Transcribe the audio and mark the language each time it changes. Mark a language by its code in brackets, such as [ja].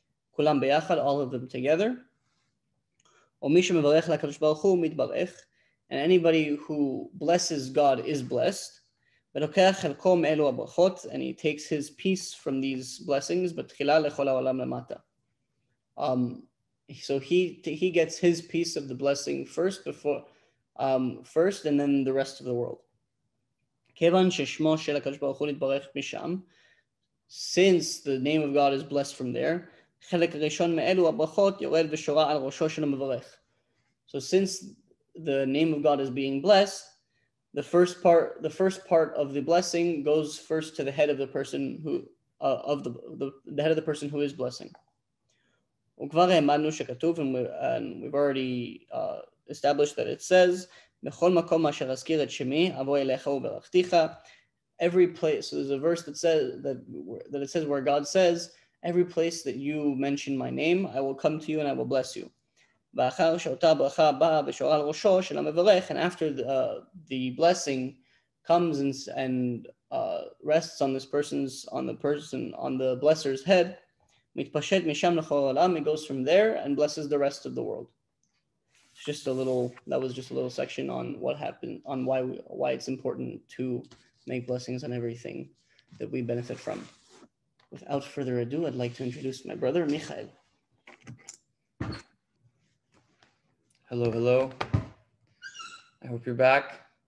[he] כולם ביחד, [en] all of them together. [he] ומי שמברך לקדוש ברוך הוא מתברך, [en] and anybody who blesses God is blessed. [he] ולוקח חלקו מאלו הברכות, [en] and he takes his peace from these blessings, [he] בתחילה לכל העולם למטה. [en] So he gets his piece of the blessing first before, and then the rest of the world. [he] כיוון ששמו של הקדוש ברוך הוא נתברך משם, [en] since the name of God is blessed from there, [he] חלק ראשון מאלו הברכות יורד ושורה על ראשו של המברך. [en] So since the name of God is being blessed, the first part of the blessing goes first to the head of the person who is blessing. [he] וכבר אמרנו שכתוב, [en] and we've already established that it says, [he] בכל מקום אשר אזכיר את שמי אבוא אליך וברכתיך. [en] Every place, so there's a verse that says where God says, every place that you mention my name, I will come to you and I will bless you. [he] ואחר שאותה ברכה באה ושורה על ראשו של המברך, [en] and after the blessing comes and rests on this person's, on the person, on the blesser's head, [he] מתפשט משם לכל העולם, [en] it goes from there and blesses the rest of the world. It's just a little, that was just a little section on what happened, on why it's important to make blessings on everything that we benefit from. Without further ado, I'd like to introduce my brother, Michael. Hello, hello. I hope you're back.